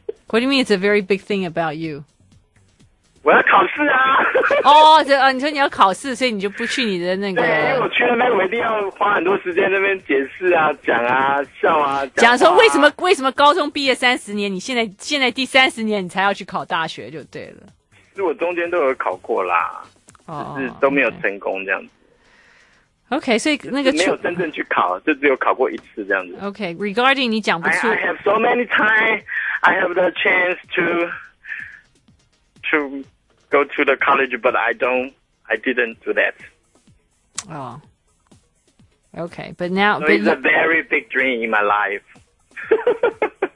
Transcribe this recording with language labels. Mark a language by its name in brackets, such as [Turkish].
[English] What do you mean it's a very big thing about you? [Chinese] 我要考试啊。你说你要考试，所以你就不去你的那个。对，因为我去那边，我一定要花很多时间在那边解释啊，讲啊，笑啊。讲说为什么高中毕业三十年，你现在第三十年你才要去考大学就对了。其实我中间都有考过啦，只是都没有成功这样子。 OK， 所以那个没有真正去考，就只有考过一次这样子。 OK， [English] regarding、okay, [Chinese] 你讲不出。 [English] I have so many time, I have the chance to go to the college, but I didn't do that. Oh, Okay, but now... So it's a very big dream in my life.